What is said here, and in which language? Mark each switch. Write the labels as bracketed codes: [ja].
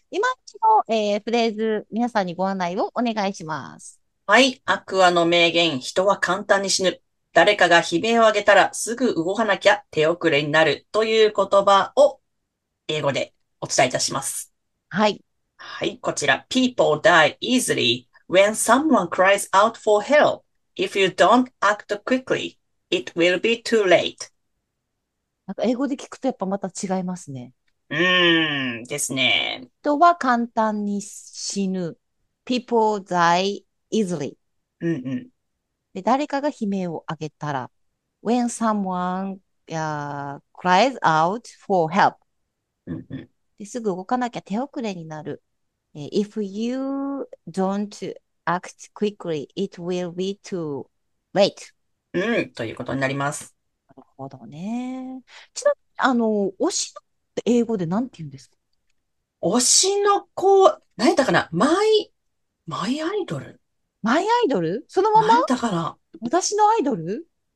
[ja] 今一度、フレーズ、皆さんにご案内をお願いします。はい、アクアの名言、人は簡単に死ぬ。誰かが悲鳴を上げたらすぐ動かなきゃ手遅れになるという言葉を英語でお伝えいたします。はい。はい、こちら。 [en] People die easily when someone cries out for help. If you don't act quickly, it will be too late. [ja] なんか英語で聞くとやっぱまた違いますね。ですね。人は簡単に死ぬ。 [en] People die easily. [ja] で、誰かが悲鳴を上げたら。 [en] When someone, cries out for help. [ja] ですぐ動かなきゃ手遅れになる。 [en] If you don't,Act quickly, it will be too late. [ja] ということになります。なるほどね。ちなみに、推しの子って英語で何て言うんですか？推しの子、何やったかな？マイアイドル？マイアイドル？そのまま？何やったかな？私のアイドル？